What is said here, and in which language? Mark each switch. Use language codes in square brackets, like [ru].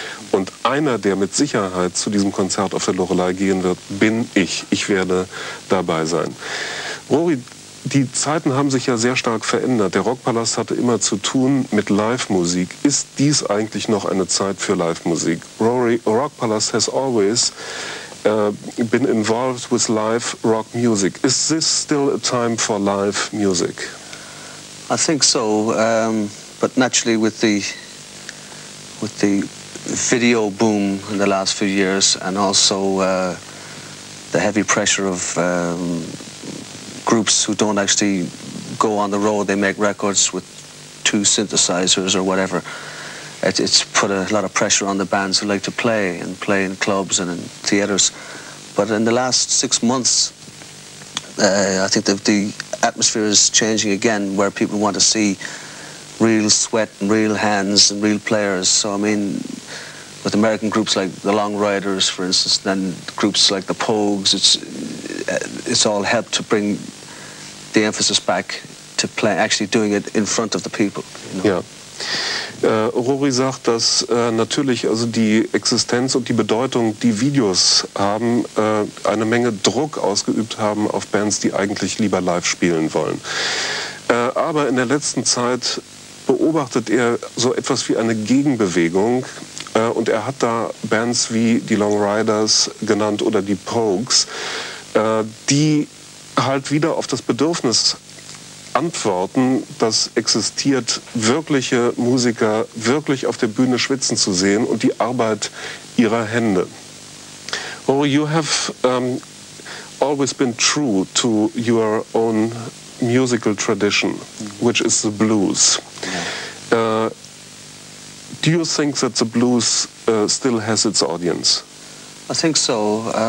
[de] Und einer, der mit Sicherheit zu diesem Konzert auf der Lorelei gehen wird, bin ich. Ich werde dabei sein. Rory, die Zeiten haben sich ja sehr stark verändert. Der Rockpalast hatte immer zu tun mit Live-Musik. Ist dies eigentlich noch eine Zeit für Live-Musik? [en] Rory, Rockpalast has always been involved with live rock music. Is this still a time for live music? I think so, but naturally with the video boom in the last few years, and also the heavy pressure of groups who don't actually go on the road, they make records with 2 synthesizers or whatever. It's put a lot of pressure on the bands who like to play and play in clubs and in theaters. But in the last 6 months, I think the atmosphere is changing again, where people want to see real sweat and real hands and real players. So I mean, with American groups like the Long Riders, for instance, then groups like the Pogues, it's all helped to bring the emphasis back to play, actually doing it in front of the people, you know? Yeah. [de] Rory sagt, dass natürlich also die Existenz und die Bedeutung, die Videos haben, eine Menge Druck ausgeübt haben auf Bands, die eigentlich lieber live spielen wollen. Aber in der letzten Zeit beobachtet er so etwas wie eine Gegenbewegung, und er hat da Bands wie die Long Riders genannt oder die Pogues, die halt wieder auf das Bedürfnis antworten, das existiert, wirkliche Musiker wirklich auf der Bühne schwitzen zu sehen und die Arbeit ihrer Hände. [en] Rory, you have always been true to your own musical tradition, which is the blues. Do you think that the blues still has its audience? I think so.